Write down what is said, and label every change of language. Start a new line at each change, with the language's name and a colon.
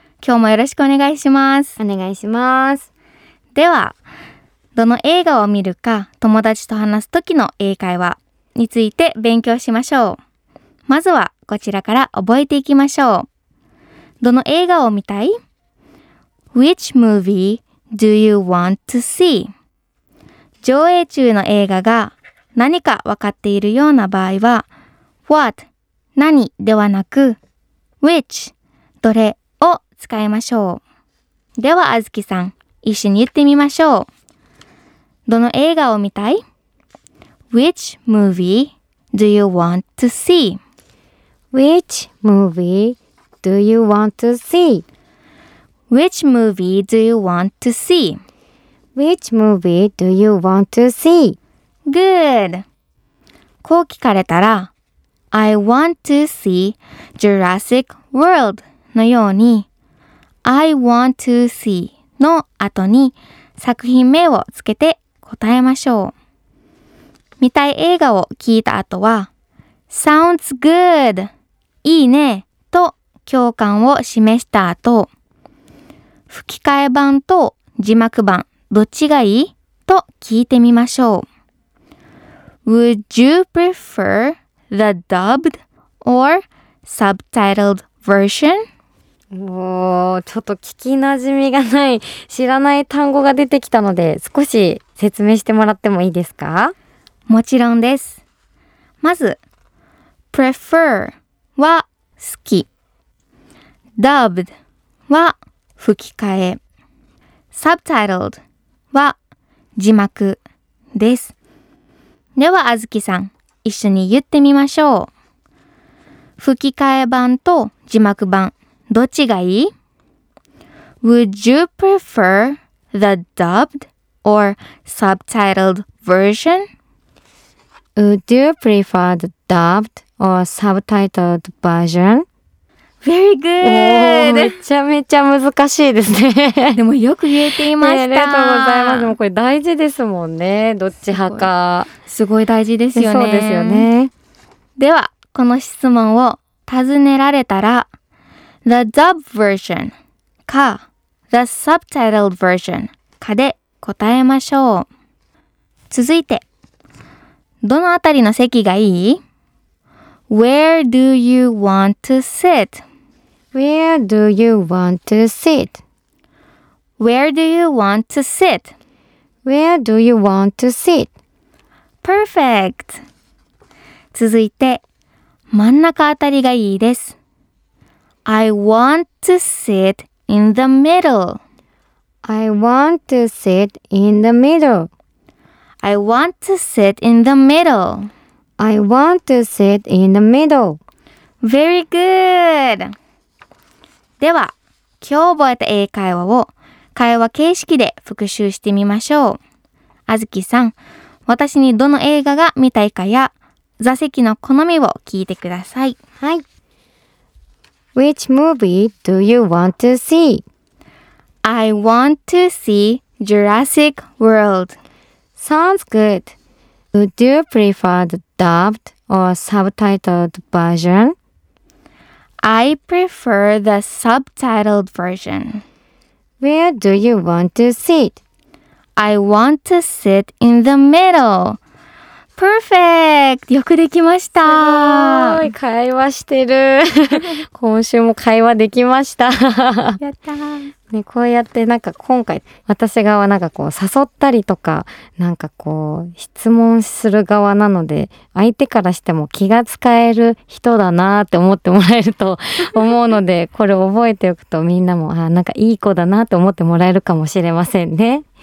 Japanese: 今日もよろしくお願いします。お願いします。ではどの映画を見るか友達と話すときの英会話について勉強しましょう。まずはこちらから覚えていきましょう。どの映画を見たい？
English: Which movie do you want to see?
Japanese: 上映中の映画が何か分かっているような場合は What 何ではなく Which どれを使いましょう。ではあずきさん一緒に言ってみましょう。どの映画を見たい？
English: Which movie do you want to see? Which movie do you want to see? Which movie do you want to see? Which movie do you want to see? Good!
Japanese: こう聞かれたら
English: I want to see Jurassic World
Japanese: のように
English: I want to see
Japanese: の後に作品名をつけて答えましょう。見たい映画を聞いた後は
English: Sounds good!
Japanese: いいねと共感を示した後、吹き替え版と字幕版どっちがいい？と聞いてみましょう。
English: Would you prefer the dubbed or subtitled version?
Japanese: おお、ちょっと聞きなじみがない、知らない単語が出てきたので少し説明してもらってもいいですか？もちろんです。まず、prefer は好き。 dubbed は吹き替え。subtitled は字幕です。では、あずきさん、一緒に言ってみましょう。吹き替え版と字幕版、どっちがいい？
English: Would you prefer the dubbed or subtitled version? Would you prefer the dubbed or subtitled version? Very good!
Japanese: めちゃめちゃ難しいですね。でもよく言えていました。ありがとうございます。でもこれ大事ですもんね。どっち派か。すごい大事ですよね。そうですよね。では、この質問を尋ねられたら、
English: The dubbed version
Japanese: か
English: The subtitled version
Japanese: かで答えましょう。続いて、どのあたりの席がいい？
English: Where do you want to sit? Where do you want to sit? Where do you want to sit? Where do you want to sit? Perfect!
Japanese: 続いて、真ん中あたりがいいです。
English: I want to sit in the middle. I want to sit in the middle. I want to sit in the middle. I want to sit in the middle. Very good!
Japanese: では、今日覚えた英会話を会話形式で復習してみましょう。あずきさん、私にどの映画が見たいかや座席の好みを聞いてください。はい。
English: Which movie do you want to see? I want to see Jurassic World. Sounds good. Would you prefer the dubbed or subtitled version? I prefer the subtitled version. Where do you want to sit? I want to sit in the middle. Perfect!
Japanese: よくできました。すごい会話してる今週も会話できましたやったね、こうやってなんか今回私側なんかこう誘ったりとかなんかこう質問する側なので相手からしても気が使える人だなって思ってもらえると思うのでこれ覚えておくとみんなもあなんかいい子だなって思ってもらえるかもしれませんね。